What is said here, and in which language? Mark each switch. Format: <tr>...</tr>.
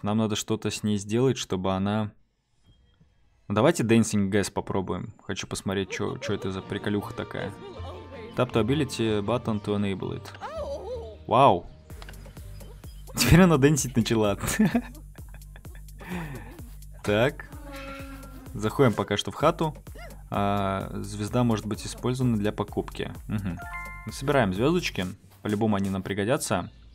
<ru>Нам надо что-то с ней сделать, чтобы она... Давайте Dancing Gas попробуем. Хочу посмотреть, что это за приколюха такая.</ru> <en>Tap to ability button to enable it. Вау.</en> <ru>Теперь она дэнсить начала. Так. Заходим пока что в хату. А, звезда может быть использована для покупки. Угу. Собираем звездочки. По-любому они нам пригодятся.</ru>